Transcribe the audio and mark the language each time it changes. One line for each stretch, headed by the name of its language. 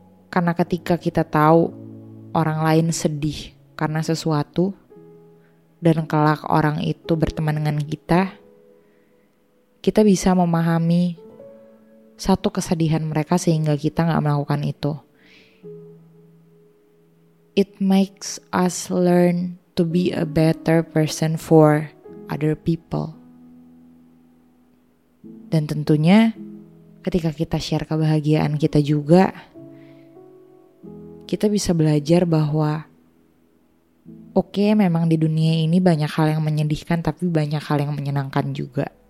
Indonesian: Karena ketika kita tahu orang lain sedih karena sesuatu, dan kelak orang itu berteman dengan kita, kita bisa memahami satu kesedihan mereka sehingga kita gak melakukan itu.
English: It makes us learn to be a better person for other people.
Indonesian: Dan tentunya ketika kita share kebahagiaan kita juga, kita bisa belajar bahwa okay, memang di dunia ini banyak hal yang menyedihkan, tapi banyak hal yang menyenangkan juga.